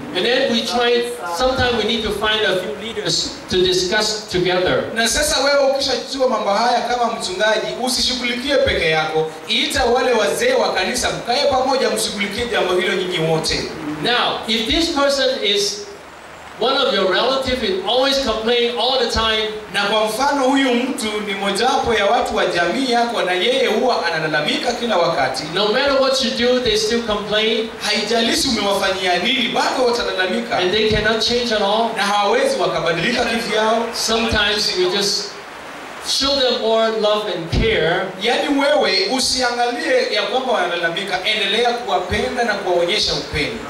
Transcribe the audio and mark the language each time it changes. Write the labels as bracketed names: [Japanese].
[English] And then we try, sometimes we need to find a few leaders to discuss together. [Swahili] Na sasa wewe ukishajua mambo haya kama mchungaji, usishughulikie peke yako. Iita wale wazee wa kanisa mkae pamoja mshughulikie jambo hilo nyinyi wote. [English] Now, if this person is one of your relatives is always complaining all the time. [Swahili] Na kwa mfano huyu mtu ni mojawapo ya watu wa jamii yako na yeye huwa analalamika kila wakati. [English] No matter what you do, they still complain. [Swahili] Haijalishi umewafanyia nini, bado watalalamika. [English] And they cannot change at all. [Swahili] Na hawawezi wakabadilika kivyao. [English] Sometimes you just show them more love and care. [Swahili] Yani wewe usiangalie ya kwamba wanalalamika, endelea kuwapenda na kuwaonyesha upendo.